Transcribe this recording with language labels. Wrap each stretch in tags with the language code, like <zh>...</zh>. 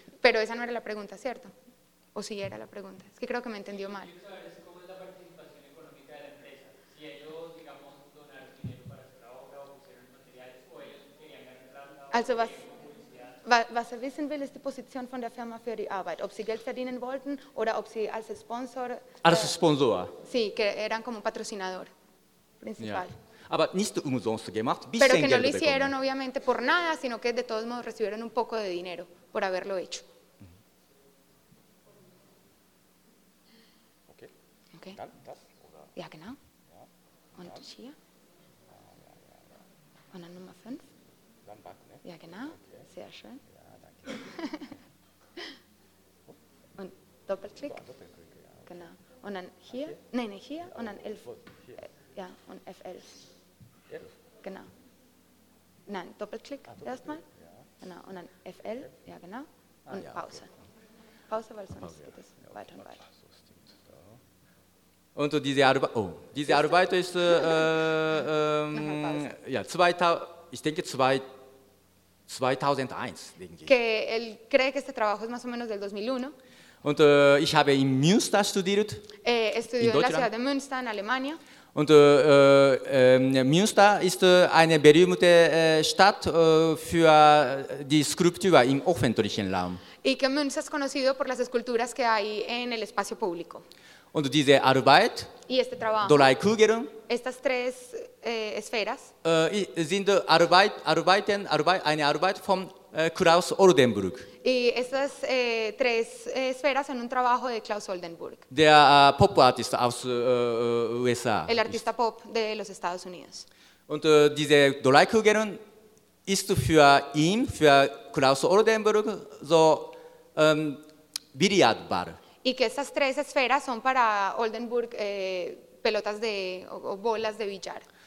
<es>Pero esa no era la pregunta, ¿cierto? O sí era la pregunta. Es que creo que me entendió mal. Quiero saber cómo es la participación económica de la empresa. Si ellos, digamos, donaron dinero para hacer la obra o pusieron materiales o ellos querían ganar la</es> <de>Also, was er wissen will, ist die Position von der Firma für die Arbeit. Ob sie Geld verdienen wollten oder ob sie als Sponsor... Als Sponsor?</de> <es>Sí, que eran como patrocinador principal.</es> <de>Ja. Aber nicht umsonst gemacht, bisschen</de> <es>Pero que</es> <de>Geld</de> <es>no lo hicieron,</es> <de>bekommen.</de> <es>Obviamente, por nada, sino que de todos modos recibieron un poco de dinero por haberlo hecho.</es> <de>Okay. Dann das, oder? Ja, genau. Ja. Und dann. Hier? Und dann Nummer 5? Dann back, ne? Ja, genau. Okay. Sehr schön. Ja, danke. Und Doppelklick. Doppelklick, ja. Genau. Und dann hier? Nein, hier. Und dann 11. Ja, und F11. 11? Genau. Nein, Doppelklick, Doppelklick. Erstmal. Ja. Genau. Und dann F11. Ja, genau. Und ja, Pause. Okay. Pause, weil sonst Pause, geht es ja. Weiter und weiter. Und diese Arbeit, diese Arbeit ist, ja, 2001, denke ich.</de> <es>Que él cree que este trabajo es más o menos del 2001.</es> <de>Und ich habe in Münster studiert.</de> <es>Estudió en la ciudad de Münster, en Alemania.</es> <de>Und Münster ist eine berühmte Stadt für die Skulptur im öffentlichen Raum.</de> <es>Y que Münster es conocido por las esculturas que hay en el espacio público.</es> <de>Und diese Arbeit,</de> <es>y este trabajo,</es> <de>drei Kugeln,</de> <es>estas tres esferas,</es> <de>sind eine Arbeit von Klaus Oldenburg.</de> <es>Y estas tres esferas son un trabajo de Klaus Oldenburg.</es> <de>Der Pop Artist aus USA.</de> <es>El artista pop de los Estados Unidos.</es> <de>Und diese drei Kugeln ist für ihn, für Klaus Oldenburg, so Billardball.</de> <es>Y que estas tres esferas son para Oldenburg pelotas de o bolas de billar.</es>